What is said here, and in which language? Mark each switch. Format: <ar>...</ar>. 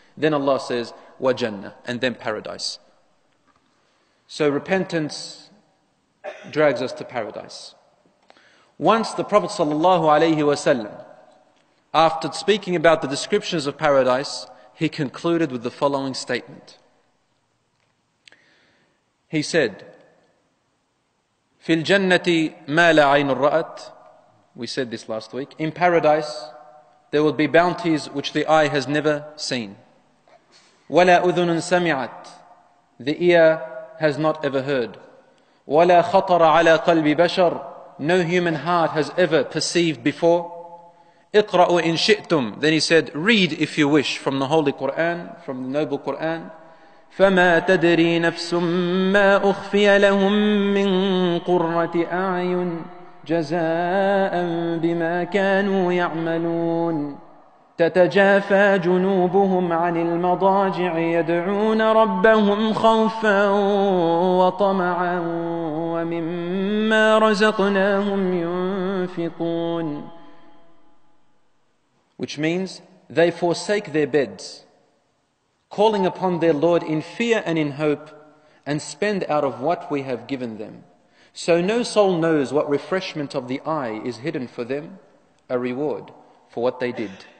<en>Then Allah says, وَجَنَّةً, and then paradise. So repentance drags us to paradise. Once the Prophet sallallahu alayhi wa sallam, after speaking about the descriptions of paradise, he concluded with the following statement. He said,</en> <ar>فِي الْجَنَّةِ مَا لَا عَيْنٌ رَأَتْ.</ar> <en>We said this last week. In paradise, there will be bounties which the eye has never seen.</en> <ar>وَلَا أُذُنٌ سَمِعَتْ.</ar> <en>The ear has not ever heard.</en> <ar>وَلَا خَطَرَ عَلَىٰ قَلْبِ بَشَرٍ.</ar> <en>No human heart has ever perceived before.</en> <ar>اِقْرَأُوا إِن شِئْتُمْ.</ar> <en>Then he said, read if you wish from the Holy Qur'an, from the noble Qur'an.</en> <ar>فَمَا تَدْرِي نَفْسٌ مَا أُخْفِيَ لَهُمْ مِنْ قُرَّةِ أَعْيُنْ جَزَاءً بِمَا كَانُوا يَعْمَلُونَ. تتجافى جنوبهم عن المضاجع يدعون ربهم خوفا وطمعا ومما رزقناهم ينفقون.</ar> <en>Which means they forsake their beds, calling upon their Lord in fear and in hope, and spend out of what we have given them. So no soul knows what refreshment of the eye is hidden for them, a reward for what they did.</en>